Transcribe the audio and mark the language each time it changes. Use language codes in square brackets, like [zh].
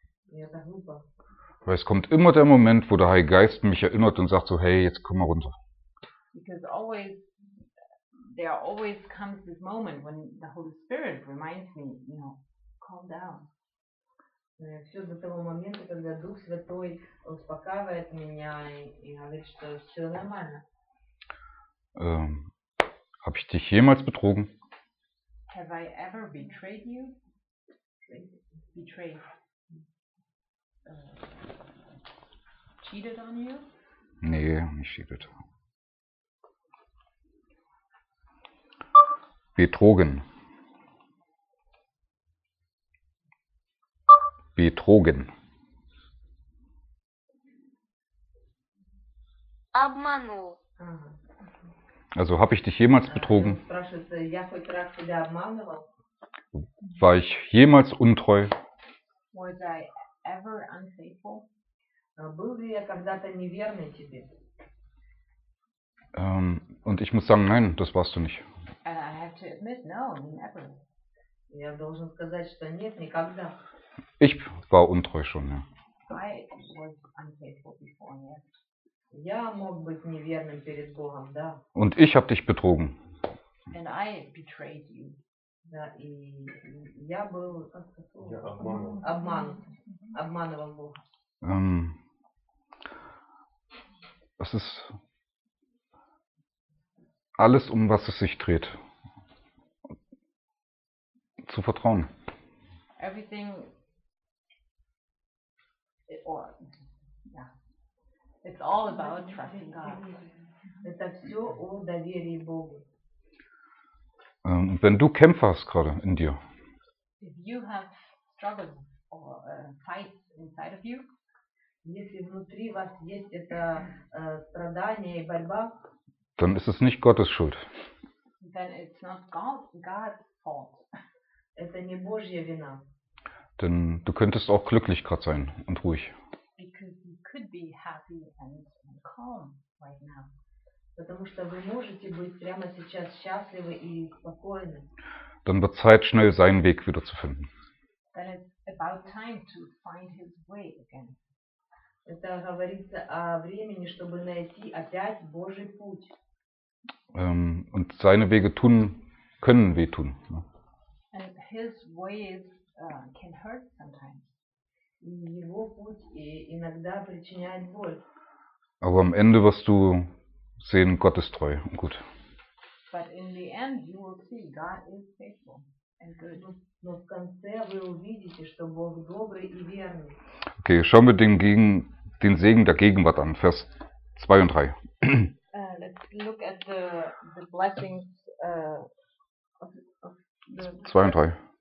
[de] Weil es kommt immer der Moment, wo der Heilige Geist mich erinnert und sagt so, hey, jetzt komm mal runter. [en] Because always, there always comes this moment when the Holy Spirit reminds me, you know, calm down. [ru] Все до того момента, когда Дух Святой успокаивает меня и говорит, что все нормально. [de] Habe ich dich jemals betrogen? [en] Have I ever betrayed you? Betrayed. Cheated on you? [de] Nee, nicht cheated. Betrogen. Betrogen. [ru] Обманул. [de] Also, habe ich dich jemals betrogen? War ich jemals untreu? [en] Was I ever unfaithful? [ru] Был ли я когда-то неверный тебе? [de] Und ich muss sagen, nein, das warst du nicht. [en] And I have to admit, no, never. [ru] Я должен сказать, что нет, никогда. [de] Ich war untreu schon, ja. [en] I was unfaithful before, yes. [ru] Я мог быть неверным перед Богом, да. [de] Und ich habe dich betrogen. [en] And I betrayed you. [ru] Да, и я был, как сказать, обманывал Бога. [de] Es ist alles, um was es sich dreht, zu vertrauen. [en] Everything, or, it's all about trusting God. [ru] Это все о доверии Богу. [de] Wenn du kämpfst gerade in dir, [en] if you have struggles or fights inside of you, [ru] если внутри вас есть это страдание и борьба, [de] dann ist es nicht Gottes Schuld. [en] Then it's not God's fault. [ru] Это не Божья вина. [de] Denn du könntest auch glücklich gerade sein und ruhig. [en] Because you could be happy and calm right now. [ru] Потому что вы можете быть прямо сейчас счастливы и спокойны. [de] Dann wird Zeit, schnell seinen Weg wieder zu finden. [en] Then it's about time to find his way again. [ru] Это говорится о времени, чтобы найти опять Божий путь. [de] Und seine Wege tun können wehtun. [en] And his ways can hurt sometimes. [ru] И его путь иногда причиняет боль. [de] Aber am Ende wirst du sehen, Gott ist treu und gut. [en] But in the end you will see God is faithful. [ru] Но в конце вы увидите, что Бог добрый и верный. [de] Okay, schauen wir den den Segen der Gegenwart an, Vers 2 und 3. [en] Let's look at the blessings of the [de] 2 und 3.